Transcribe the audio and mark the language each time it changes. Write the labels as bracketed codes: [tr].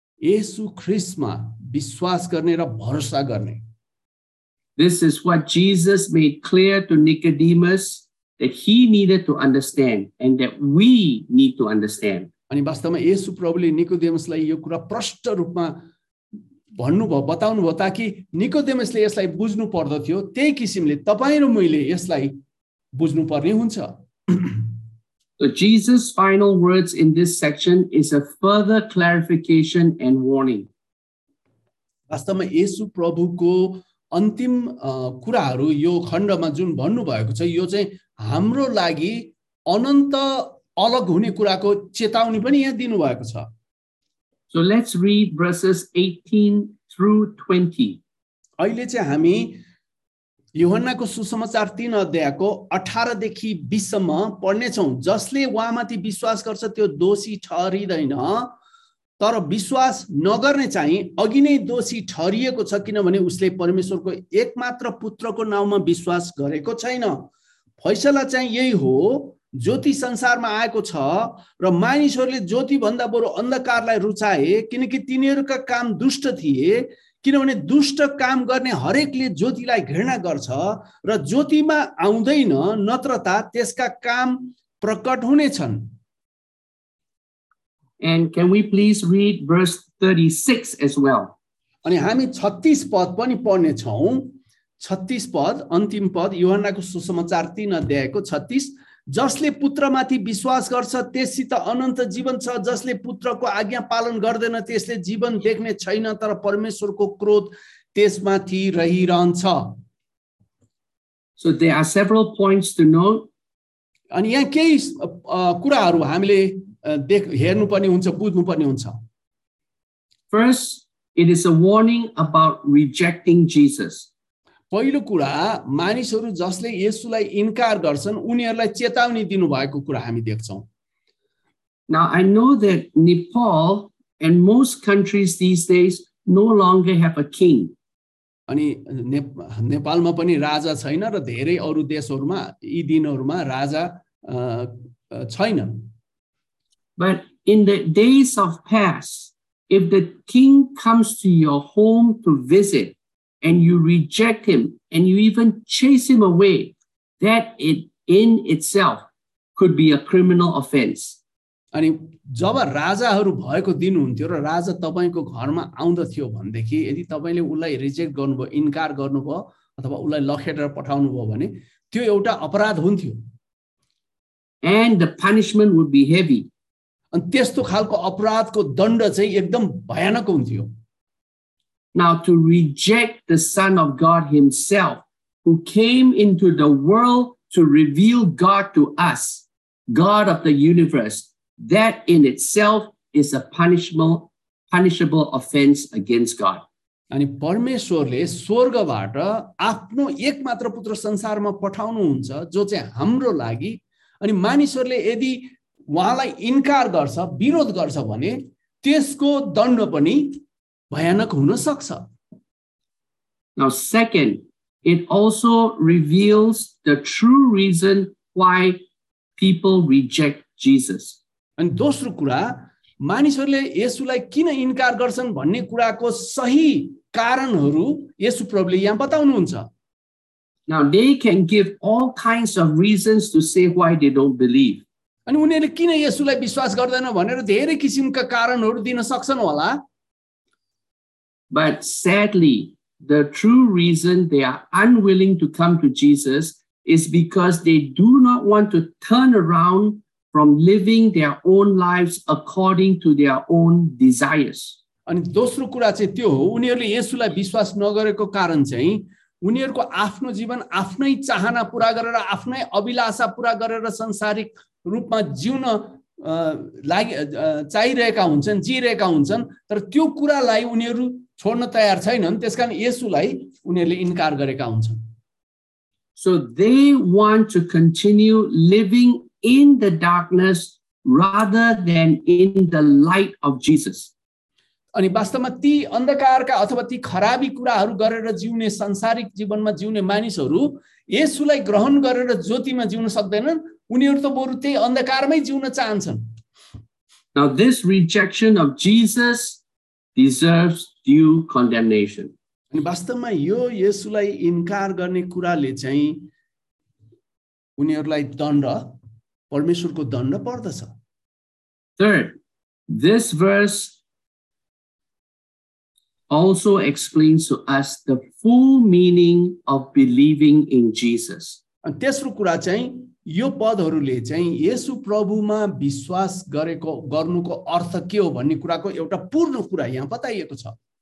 [ne] येशू ख्रीष्टमा विश्वास गर्ने र भरोसा गर्ने. [en] This is what Jesus made clear to Nicodemus that he needed to understand and that we need to understand. [ne] अनि वास्तवमा येशू प्रभुले निकोदेमसलाई यो कुरा प्रष्ट रूपमा भन्नुभयो, बताउनुभयो, ताकि निकोदेमसले यसलाई बुझ्नु पर्दथ्यो, त्यही किसिमले तपाईँ र मैले यसलाई बुझ्नुपर्ने हुन्छ. [en] So Jesus' final words in this section is a further clarification and warning. [ne] वास्तवमा येशू प्रभुको अन्तिम कुराहरु यो खण्डमा जुन भन्नु भएको छ यो चाहिँ हाम्रो लागि अनन्त अलग हुने कुराको चेतावनी पनि यहाँ दिनु भएको छ. [en] So let's read verses 18 through 20. [ne] अहिले चाहिँ हामी युहन्नाको सुसमाचार तीन अध्यायको अठारदेखि बिससम्म पढ्नेछौँ। जसले उहाँमाथि विश्वास गर्छ त्यो दोषी ठहरिँदैन, तर विश्वास नगर्ने चाहिँ अघि नै दोषी ठहरिएको छ, किनभने उसले परमेश्वरको एकमात्र पुत्रको नाउँमा विश्वास गरेको छैन। फैसला चाहिँ यही हो, ज्योति संसारमा आएको छ र मानिसहरूले ज्योति भन्दा बरु अन्धकारलाई रुचाए, किनकि तिनीहरूका काम दुष्ट थिए, किनभने दुष्ट काम गर्ने हरेकले ज्योतिलाई घृणा गर्छ र ज्योतिमा आउँदैन, नत्र त त्यसका काम प्रकट हुनेछन्। [en] And can we please read verse 36 as well? [ne] अनि हामी 36 पद पनि पढ्ने छौं। 36 पद, अन्तिम पद, योहन्नाको सुसमाचार 3 अध्यायको 36। जसले पुत्रमाथि विश्वास गर्छ त्यससित अनन्त जीवन छ, जसले पुत्रको आज्ञा पालन गर्दैन त्यसले जीवन देख्ने छैन, तर परमेश्वरको क्रोध त्यसमाथि रहिरहन्छ। [en] So there are several points to note. [ne] अनि यहाँ केही कुराहरू हामीले देख हेर्नु पर्ने हुन्छ, बुझ्नु पर्ने हुन्छ। [en] First, it is a warning about rejecting Jesus. [ne] पहिलो कुरा, मानिसहरू जसले येशूलाई इन्कार गर्छन् उनीहरूलाई चेतावनी दिनुभएको कुरा हामी देख्छौँ। [en] Now I know that Nepal and most countries these days no longer have a king. [ne] अनि नेपालमा पनि राजा छैन र धेरै अरू देशहरूमा यी दिनहरूमा राजा छैन। [en] But in the days of past, if the king comes to your home to visit, and you reject him, and you even chase him away, that it in itself could be a criminal offense. [ne] अनि जब राजाहरू भएको दिन हुन्थ्यो र राजा तपाईँको घरमा आउँदथ्यो भनेदेखि, यदि तपाईँले उसलाई रिजेक्ट गर्नुभयो, इन्कार गर्नुभयो, अथवा उसलाई लखेटेर पठाउनुभयो भने त्यो एउटा अपराध हुन्थ्यो। [en] And the punishment would be heavy. [ne] अनि त्यस्तो खालको अपराधको दण्ड चाहिँ एकदम भयानक हुन्थ्यो। [en] Now to reject the Son of God himself, who came into the world to reveal God to us, God of the universe, that in itself is a punishable offense against God. [ne] अनि परमेश्वरले स्वर्गबाट आफ्नो एकमात्र पुत्र संसारमा पठाउनु हुन्छ, जो चाहिँ हाम्रो लागि, अनि मानिसहरूले यदि उहाँलाई इन्कार गर्छ, विरोध गर्छ भने त्यसको दण्ड पनि भयानक हुन सक्छ। [en] Now second, it also reveals the true reason why people reject Jesus. [ne] अनि दोस्रो कुरा, मानिसहरूले येशूलाई किन इन्कार गर्छन् भन्ने कुराको सही कारणहरू येशू प्रभुले यहाँ बताउनुहुन्छ। [en] Now they can give all kinds of reasons to say why they don't believe. [ne] अनि उनीहरूले किन येशूलाई विश्वास गर्दैन भनेर धेरै किसिमका कारणहरू दिन सक्छन् होला। [en] But sadly, the true reason they are unwilling to come to Jesus is because they do not want to turn around from living their own lives according to their own desires. [ne] अनि दोस्रो कुरा चाहिँ त्यो हो, उनीहरूले येशूलाई विश्वास नगरेको कारण चाहिँ उनीहरूको आफ्नो जीवन आफ्नै चाहना पूरा गरेर, आफ्नै अभिलाषा पूरा गरेर संसारिक रूपमा जिउन लागि चाहिरहेका हुन्छन्, जिइरहेका हुन्छन्, तर त्यो कुरालाई उनीहरू छोड्न तयार छैनन्, त्यसकारण येशूलाई उनीहरूले इन्कार गरेका हुन्छन्। [en] So they want to continue living in the darkness rather than in the light of Jesus. [ne] अनि वास्तवमा ती अन्धकारका अथवा ती खराबी कुराहरू गरेर जिउने, सांसारिक जीवनमा जिउने मानिसहरू येशूलाई ग्रहण गरेर ज्योतिमा जिउन सक्दैनन्, उनीहरू त बरु त्यही अन्धकारमै जिउन चाहन्छन्। [en] Now this rejection of Jesus deserves due condemnation. [ne] अनि वास्तवमा यो येशूलाई इन्कार गर्ने कुराले चाहिँ उनीहरूलाई दण्ड, परमेश्वरको दण्ड पर्दछ। [en] Third, this verse also explains to us the full meaning of believing in Jesus. [ne] अनि तेस्रो कुरा चाहिँ यो पदहरूले चाहिँ येशू प्रभुमा विश्वास गरेको गर्नुको अर्थ के हो भन्ने कुराको एउटा पूर्ण कुरा यहाँ बताइएको छ।